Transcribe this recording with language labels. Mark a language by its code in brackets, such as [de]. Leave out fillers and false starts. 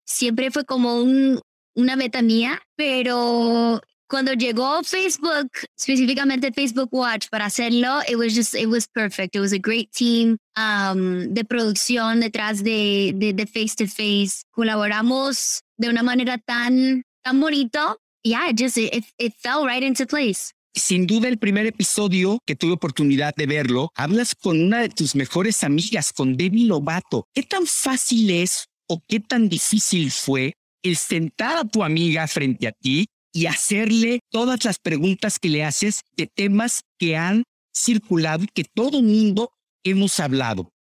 [es] Siempre fue como una meta mía, pero cuando llegó Facebook, específicamente Facebook Watch, para hacerlo, [en] it was perfect. It was a great team [es] de producción detrás de Face to Face. Colaboramos de una manera tan, tan bonito. [en] Yeah, it fell right into place. [es] Sin duda, el primer episodio que tuve oportunidad de verlo, hablas con una de tus mejores amigas, con Demi Lovato. ¿Qué tan fácil es o qué tan difícil fue el sentar a tu amiga frente a ti y hacerle todas las preguntas que le haces de temas que han circulado y que todo mundo hemos hablado?